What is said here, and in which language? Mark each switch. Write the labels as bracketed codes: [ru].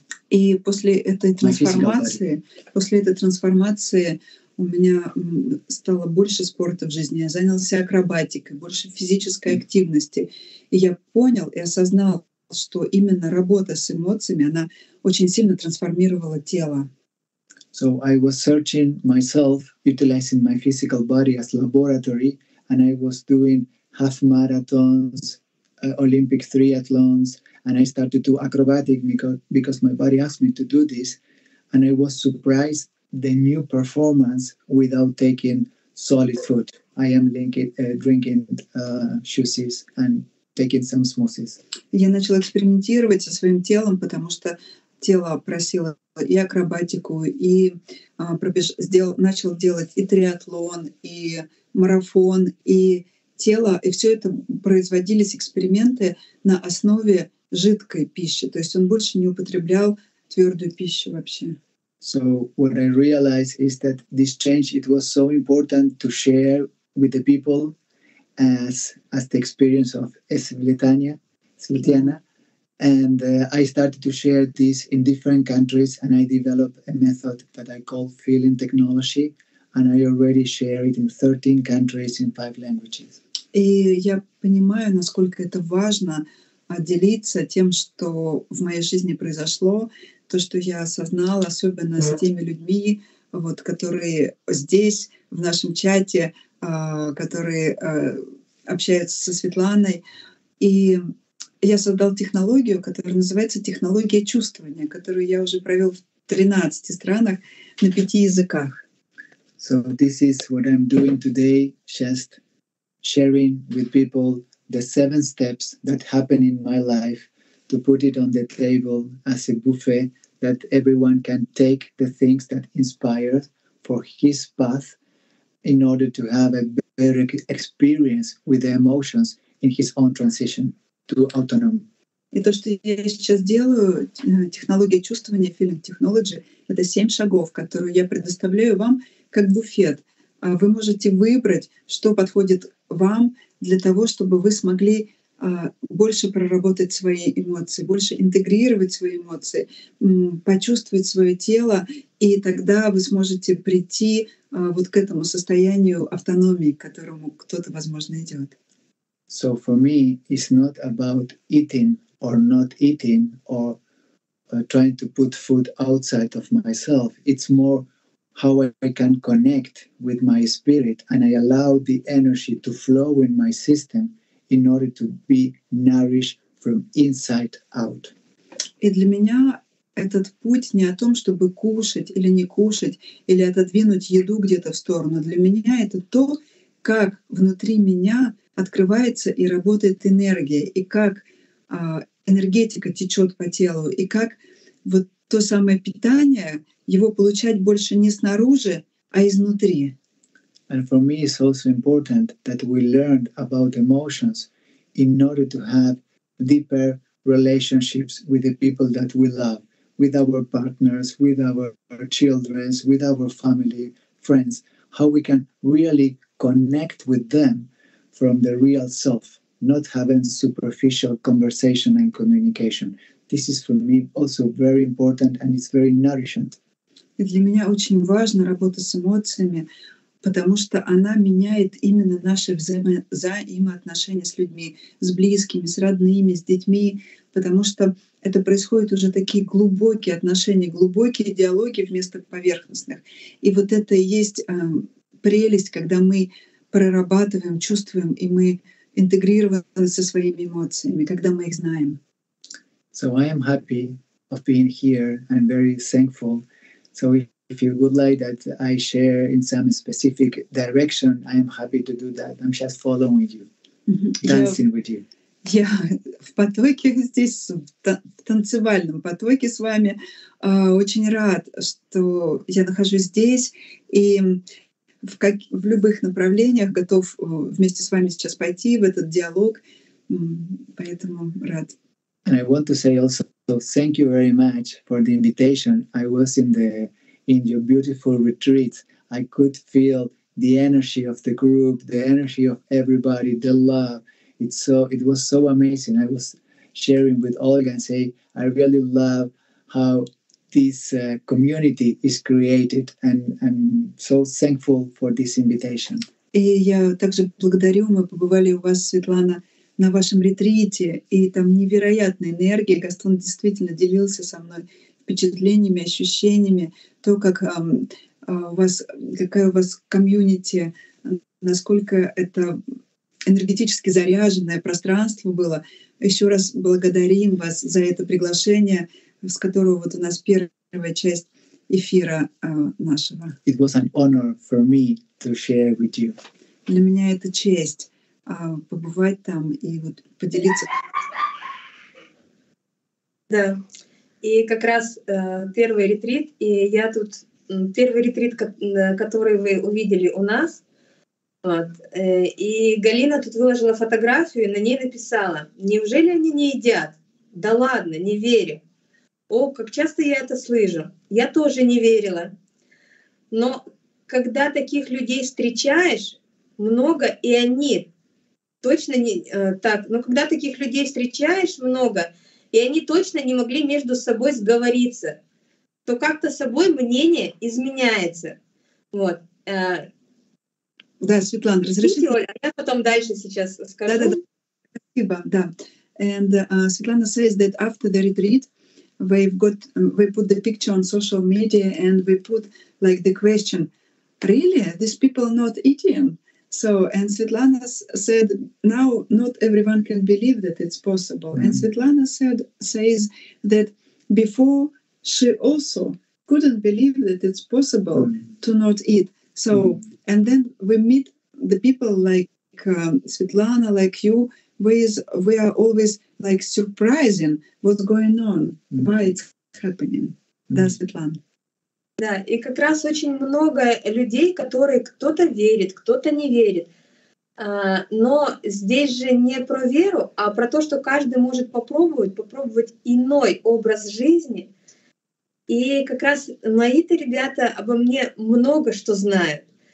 [ru] И после этой трансформации, у меня стало больше спорта в жизни, я занялся акробатикой, больше физической активности. И я понял и осознал, что именно работа с эмоциями, она очень сильно трансформировала тело. [en] So I was searching myself, utilizing my physical body as laboratory, and I was doing half marathons, Olympic triathlons, and I started to acrobatic because my body asked me to do this, and I was surprised the new performance without taking solid food. I am drinking juices and taking some smoothies. [ru] Я начал экспериментировать со своим телом, потому что тело просило и акробатику, и начал делать и триатлон, и марафон, и тело, и все это производились эксперименты на основе жидкой пищи. То есть он больше не употреблял твердую пищу вообще. [en] So what I realized is that this change, it was so important to share with the people as the experience of Svetlana. And I started to share this in different countries, and I developed a method that I call feeling technology, and I already share it in 13 countries in 5 languages. [ru] И я понимаю, насколько это важно отделиться тем, что в моей жизни произошло, то, что я осознала, особенно с теми людьми, вот, которые здесь, в нашем чате, которые общаются со Светланой. И я создал технологию, которая называется технология чувствования, которую я уже провел в 13 странах на 5 языках. [en] So this is what I'm doing today, just sharing with people the 7 steps that happen in my life to put it on the table as a buffet that everyone can take the things that inspire for his path in order to have a better experience with the emotions in his own transition. [ru] И то, что я сейчас делаю, технология чувствования, feeling technology, это 7 шагов, которые я предоставляю вам как буфет. Вы можете выбрать, что подходит вам для того, чтобы вы смогли больше проработать свои эмоции, больше интегрировать свои эмоции, почувствовать свое тело, и тогда вы сможете прийти вот к этому состоянию автономии, к которому кто-то, возможно, идет. [en] So for me, it's not about eating or not eating or trying to put food outside of myself. It's more how I can connect with my spirit and I allow the energy to flow in my system in order to be nourished from inside out. [ru] И для меня этот путь не о том, чтобы кушать или не кушать, или отодвинуть еду где-то в сторону. Для меня это то, как внутри меня открывается и работает энергия, и как энергетика течет по телу, и как вот то самое питание его получать больше не снаружи, а изнутри. [en] And for me it's also important that we learned about emotions in order to have deeper relationships with the people that we love, with our partners, with our children, with our family, friends, how we can really connect with them from the real self, not having superficial conversation and communication. This is for me also very important and it's very nourishing. [ru] И для меня очень важна работа с эмоциями, потому что она меняет именно наши взаимоотношения с людьми, с близкими, с родными, с детьми, потому что это происходит уже такие глубокие отношения, глубокие диалоги вместо поверхностных. И вот это и есть прелесть, когда мы прорабатываем, чувствуем, и мы интегрированы со своими эмоциями, когда мы их знаем. [en] So I am happy of being here. I'm very thankful. So if you would like that I share in some specific direction, I am happy to do that. I'm just following you, dancing with you. [ru] Я в потоке здесь, в танцевальном потоке с вами. Очень рад, что я нахожусь здесь и в любых направлениях готов вместе с вами сейчас пойти в этот диалог. Поэтому рад. [en] And I want to say also thank you very much for the invitation. I was in your beautiful retreat. I could feel the energy of the group, the energy of everybody, the love. It was so amazing. I was sharing with Olga and say, I really love how this community is created, and I'm so thankful for this invitation. [ru] И я также благодарю. Мы побывали у вас, Светлана, на вашем ретрите, и там невероятная энергия. Гастон действительно делился со мной впечатлениями, ощущениями, то, как какая у вас комьюнити, насколько это энергетически заряженное пространство было. Еще раз благодарим вас за это приглашение, с которого вот у нас первая часть эфира нашего. [en] It was an honor for me to share with you. [ru] Для меня это честь побывать там и вот поделиться. Да, и как раз первый ретрит, и я тут первый ретрит, который вы увидели у нас. Вот. И Галина тут выложила фотографию и на ней написала: «Неужели они не едят? Да ладно, не верю. О, как часто я это слышу. Я тоже не верила. Но когда таких людей встречаешь, много, и они точно не так. Но когда таких людей встречаешь много, и они точно не могли между собой сговориться, то как-то собой мнение изменяется». Вот. Да, Светлана, разрешите. Я потом дальше сейчас скажу. Да. Спасибо. Да. [en] And Светлана says that after the retreat, we put the picture on social media and we put like the question: really, these people not eating? So, and Светлана said, now not everyone can believe that it's possible. Mm-hmm. And Светлана says that before she also couldn't believe that it's possible to not eat. So, and then we meet the people like Svetlana, like you, we are always like surprising what's going on, why it's happening. [ru] Да, Светлана? Да, и как раз очень много людей, которые кто-то верит, кто-то не верит. Но здесь же не про веру, а про то, что каждый может попробовать иной образ жизни. И как раз мои-то ребята обо мне много что знают.